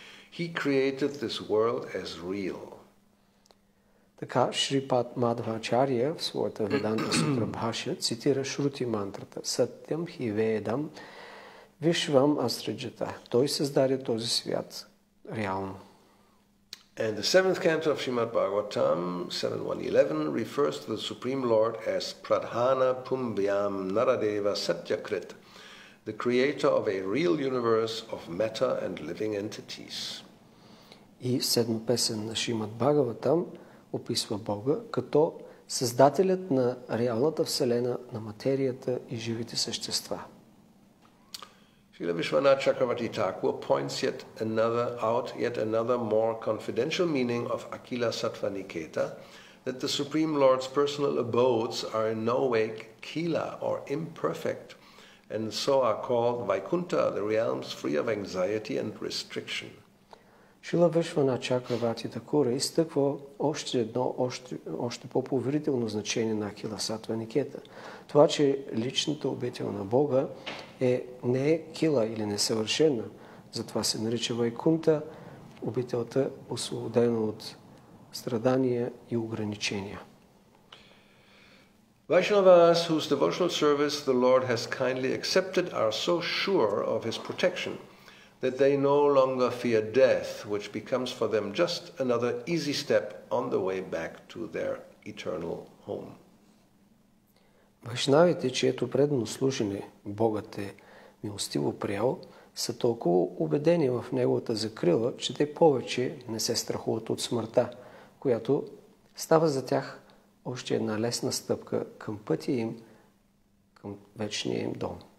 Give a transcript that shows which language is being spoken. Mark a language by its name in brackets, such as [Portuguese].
[English] He created this world as real. [Bulgarian] Така Шрипад Мадхвачария в своята Веданта Сутра Бхашья цитира Шрути мантрата Сатям Хиведам Вишвам Асриджата. Той създаде този свят реално. [English] And the seventh canto of Shrimad Bhagavatam 7.1.11 refers to the Supreme Lord as Pradhana Pumbyam Naradeva Satyakrit, the creator of a real universe of matter and living entities. [Bulgarian] И в седма песен на Шримад Бхагаватам описва Бога като създателят на реалната вселена, на материята и живите същества. [English] Шрила Вишванатха Чакравати Такур points yet another more confidential meaning of Akila Sattva Niketa, that the Supreme Lord's personal abodes are in no way kila or imperfect, and so are called Vaikunta, the realms free of anxiety and restriction. [Bulgarian] Шрила Вишванатха Чакравати Такур изтъква още по-поверително значение на Акила Сатва Никета. Това, че личната обител на Бога не е кила или несъвършена, затова се нарича Вайкунта, обителта освободена от страдания и ограничения. [English] Vaishnavas whose devotional service the Lord has kindly accepted are so sure of his protection that they no longer fear death, which becomes for them just another easy step on the way back to their eternal home. [Bulgarian] Вайшнавите, чието предано служене Богът е милостиво приял, са толкова убедени в неговата закрила, че те повече не се страхуват от смъртта, която става за тях още една лесна стъпка към пътя им, към вечния им дом.